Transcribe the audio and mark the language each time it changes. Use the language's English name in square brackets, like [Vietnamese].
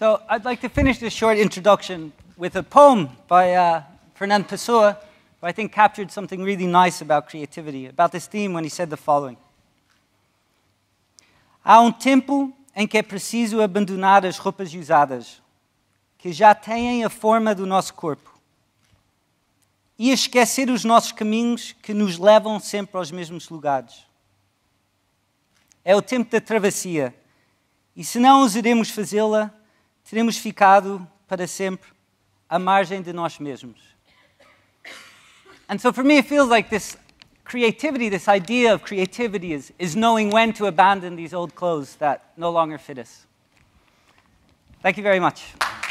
[English] I'd like to finish this short introduction with a poem by Fernand Pessoa, who I think captured something really nice about creativity, about this theme, when he said the following. [Portuguese] Há tempo em que preciso abandonar as roupas usadas, que já têm a forma do nosso corpo, e esquecer os nossos caminhos que nos levam sempre aos mesmos lugares. É o tempo da travessia, e se não ousaremos fazê-la, teremos ficado para sempre à margem de nós mesmos. [English] And so for me, it feels like this creativity, this idea of creativity is knowing when to abandon these old clothes that no longer fit us. Thank you very much.